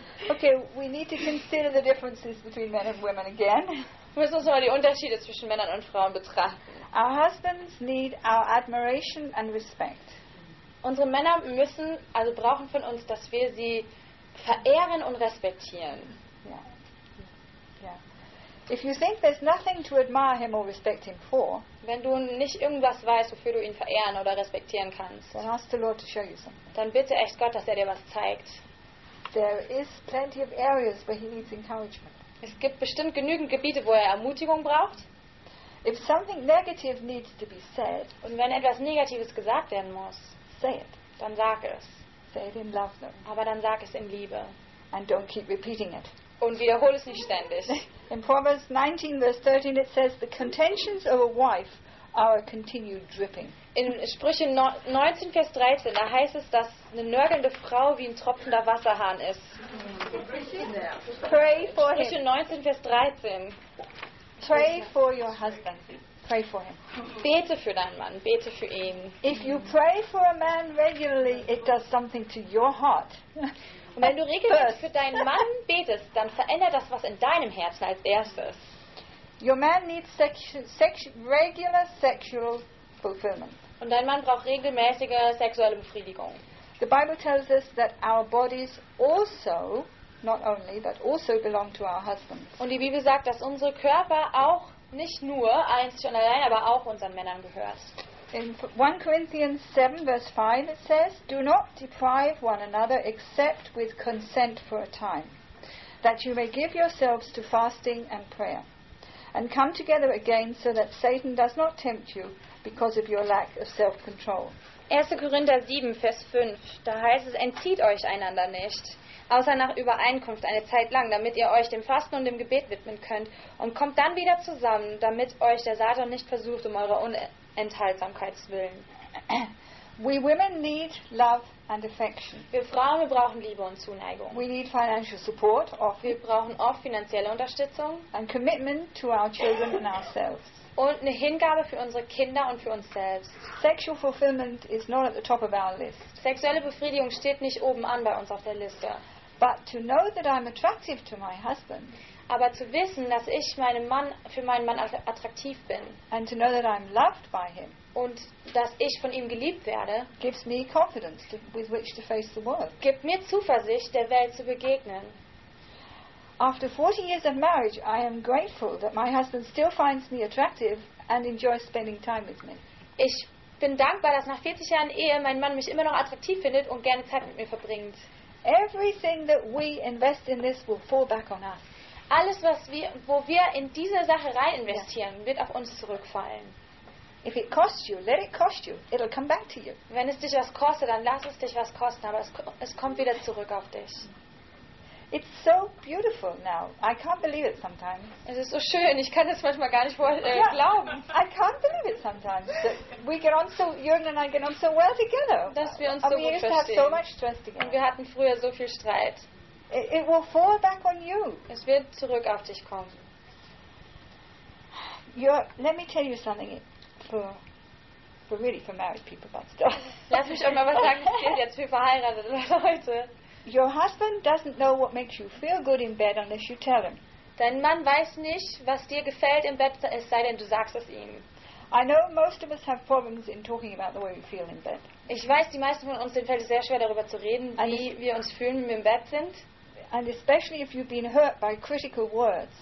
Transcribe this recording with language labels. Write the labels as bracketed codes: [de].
[en] Okay, we need to consider the differences between men and women again. [de] Wir müssen uns nochmal die Unterschiede zwischen Männern und Frauen betrachten. [en] Our husbands need our admiration and respect. [de] Unsere Männer müssen, also brauchen von uns, dass wir sie verehren und respektieren. [en] Yeah. Yeah. If you think there's nothing to admire him or respect him for, [de] wenn du nicht irgendwas weißt, wofür du ihn verehren oder respektieren kannst, [en] then ask the Lord to show you something. [de] Dann bitte echt Gott, dass er dir was zeigt. [en] There is plenty of areas where he needs encouragement. [de] Es gibt bestimmt genügend Gebiete, wo er Ermutigung braucht. [en] If something negative needs to be said, [de] und wenn etwas Negatives gesagt werden muss, [en] say it. [de] Dann sag es. [en] Say it in love, though. [de] Aber dann sag es in Liebe. [en] And don't keep repeating it. [de] Und wiederhole es nicht ständig. [en] In Proverbs 19, verse 13, it says, "The contentions of a wife are a continued dripping." [de] In Sprüche 19, Vers 13, da heißt es, dass eine nörgelnde Frau wie ein tropfender Wasserhahn ist. [en] Pray for him. [de] Sprüche 19, Vers 13. [en] Pray for your husband. Pray for him. [de] Bete für deinen Mann, bete für ihn. [en] If you pray for a man regularly, it does something to your heart. [de] Und wenn du regelmäßig für deinen Mann betest, dann verändert das was in deinem Herzen als erstes. [en] Your man needs regular sexual fulfillment. [de] Und dein Mann braucht regelmäßige sexuelle Befriedigung. [en] The Bible tells us that our bodies also, not only, but also belong to our husbands. [de] Und die Bibel sagt, dass unsere Körper auch nicht nur eins schon allein, aber auch unseren Männern gehört. [en] In 1 Corinthians 7, verse 5, it says, "Do not deprive one another except with consent for a time, that you may give yourselves to fasting and prayer, and come together again so that Satan does not tempt you because of your lack of self-control." [de] 1. Korinther 7, Vers 5, da heißt es, entzieht euch einander nicht, außer nach Übereinkunft eine Zeit lang, damit ihr euch dem Fasten und dem Gebet widmen könnt, und kommt dann wieder zusammen, damit euch der Satan nicht versucht, um eurer Unenthaltsamkeit zu willen. [en] We women need love and affection. [de] Wir Frauen, wir brauchen Liebe und Zuneigung. [en] We need financial support, often. [de] Wir brauchen oft finanzielle Unterstützung. [en] And commitment to our children and ourselves. [de] Und eine Hingabe für unsere Kinder und für uns selbst. [en] Sexual fulfillment is not at the top of our list. [de] Sexuelle Befriedigung steht nicht oben an bei uns auf der Liste. [en] But to know that I'm attractive to my husband. [de] Aber zu wissen, dass ich meinem Mann, für meinen Mann attraktiv bin. [en] And to know that I'm loved by him. [de] Und dass ich von ihm geliebt werde. [en] Gives me confidence with which to face the world. [de] Gibt mir Zuversicht, der Welt zu begegnen. [en] After 40 years of marriage, I am grateful that my husband still finds me attractive and enjoys spending time with me. [de] Ich bin dankbar, dass nach 40 Jahren Ehe mein Mann mich immer noch attraktiv findet und gerne Zeit mit mir verbringt. [en] Everything that we invest in this will fall back on us. [de] Alles, was wir, wo wir in diese Sache rein investieren, wird auf uns zurückfallen. [en] If it costs you, let it cost you. It'll come back to you. [de] Wenn es dich was kostet, dann lass es dich was kosten, aber es kommt wieder zurück auf dich. [en] It's so beautiful now. I can't believe it sometimes. [de] Es ist so schön. Ich kann es manchmal gar nicht glauben. [en] I can't believe it sometimes. That we get on so, Jürgen and I get on so well together. [de] Dass wir uns so gut verstehen. [en] We used to have so much stress together. [de] Und wir hatten früher so viel Streit. [en] It will fall back on you. [de] Es wird zurück auf dich kommen. [en] Let me tell you something. For really for married people, but still. [de] Lass mich auch mal was sagen. Es geht jetzt für verheiratete Leute. [en] Your husband doesn't know what makes you feel good in bed unless you tell him. [de] Dein Mann weiß nicht, was dir gefällt im Bett, es sei denn, du sagst es ihm. [en] I know most of us have problems in talking about the way we feel in bed. [de] Ich weiß, die meisten von uns, denen fällt es sehr schwer, darüber zu reden, wie wir uns fühlen, wenn wir im Bett sind. [en] And especially if you've been hurt by critical words.